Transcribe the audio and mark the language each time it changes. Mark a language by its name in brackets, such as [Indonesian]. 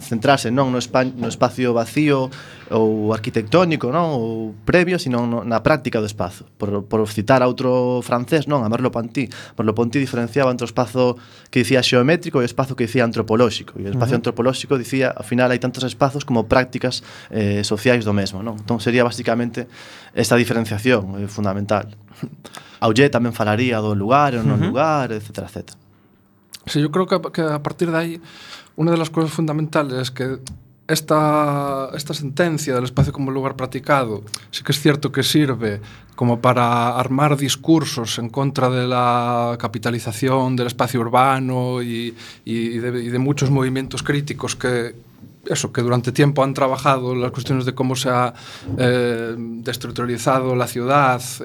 [Galician] Centrarse non no espacio vacío ou arquitectónico, non? Ou previo, sino na práctica do espazo. Por citar a outro francés, non? A Merleau-Ponty. Merleau-Ponty diferenciaba entre o espazo que dicía xeométrico e o espazo que dicía antropolóxico. E o espacio antropolóxico dicía, ao final, hai tantos espazos como prácticas sociais do mesmo, non? Entón, sería basicamente esta diferenciación fundamental. Auger tamén falaría do lugar ou non lugar, etc. etc. [Spanish] Sí, yo creo que a partir de ahí una de las cosas fundamentales es que esta sentencia del espacio como lugar practicado sí que es cierto que sirve como para armar discursos en contra de la capitalización del espacio urbano y de muchos movimientos críticos que durante tiempo han trabajado las cuestiones de cómo se ha destructurizado la ciudad